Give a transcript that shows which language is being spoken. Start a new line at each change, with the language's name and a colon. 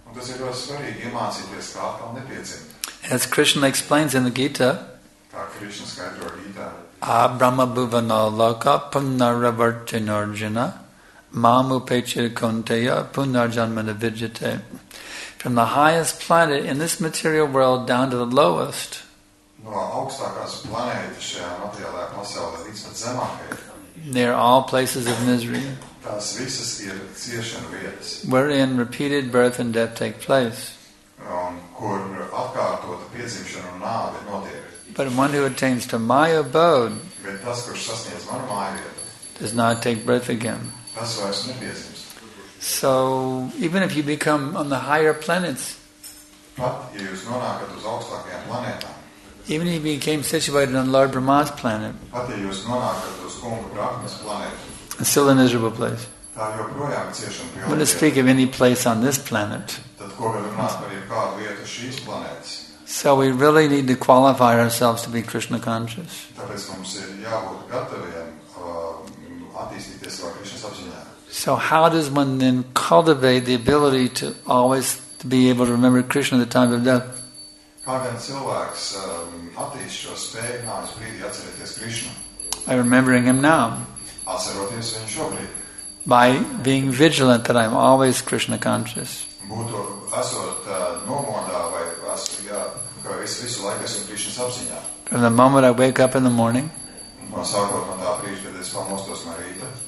English: As Krishna explains in the Gita,
Sanskrit: Abrahma bhuvana loka punaravartinarjuna mam upechir kunteya punarjanmana vidyate.
English: From the highest planet in this material world down to the lowest, they are all places of misery.
Latvian: tās visas ir ciešana vietas.
English: Wherein repeated birth and death take place.
Latvian: Un kur atkārtota piedzimšana un nāve notiek.
English: But one who attains to my abode
Latvian: bet tas, kurš sasniedz manu mājvietu,
English: does not take birth again.
Latvian: Tas vairs nepiedzims.
English: So, even if you become on the higher planets,
Latvian: pat, ja jūs nonākat uz augstākajām planētām,
English: even if you became situated on Lord Brahma's planet,
Latvian: pat, ja jūs nonākat uz Kunga Brahmas planētu,
English: it's still a miserable place.
Latvian: Tā joprojām ciešam pie vietu.
English: When I speak of any place on this planet,
Latvian: tad ko vēl runāt par jebkādu vietu šīs planētas?
English: So we really need to qualify ourselves to be Krishna conscious.
Latvian: Tāpēc mums ir jābūt gataviem attīstīties savā Krishna apziņā.
English: So how does one then cultivate the ability to always to be able to remember Krishna at the time of death?
Latvian: Kā gan cilvēks attīst šo spēju nāves brīdī atcerēties Krishna?
English: By remembering him now.
Latvian: Atceroties viņu šobrīd.
English: By being vigilant that I'm always Krishna conscious.
Latvian: Būtu esot nomodā vai es, jā, ka es visu laiku esmu Krishna apziņā.
English: From the moment I wake up in the morning.
Latvian: No sākot man tā brīdī, kad es pamostos no rīta.